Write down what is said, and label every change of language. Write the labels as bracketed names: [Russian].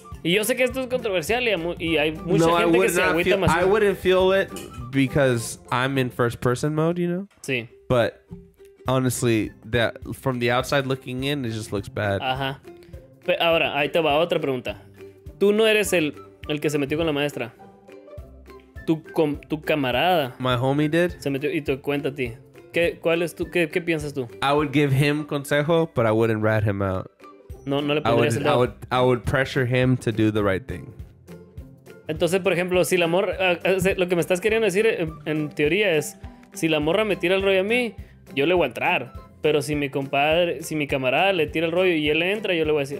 [Spanish] Y yo sé que esto es controversial y hay mucha gente que se agüita más. [English] I wouldn't feel it because I'm in first person mode, you know? [Spanish] Sí. [English] But honestly, that from the outside looking in, it just looks bad. [Spanish] Ajá. Pero ahora, ahí te va otra pregunta. Tú no eres el que se metió con la maestra. Tu camarada. [English] My homie did. [Spanish] Se metió y te cuenta a ti. ¿Cuál es tú? ¿Qué piensas tú? [English] I would give him consejo, but I wouldn't rat him out. [Spanish] No le pondrías el dedo. [English] I would pressure him to do the right thing. [Spanish] Entonces, por ejemplo, si la morra... lo que me estás queriendo decir en teoría es... Si la morra me tira el rollo a mí, yo le voy a entrar. Pero si mi compadre, si mi camarada le tira el rollo y él entra, yo le voy a decir...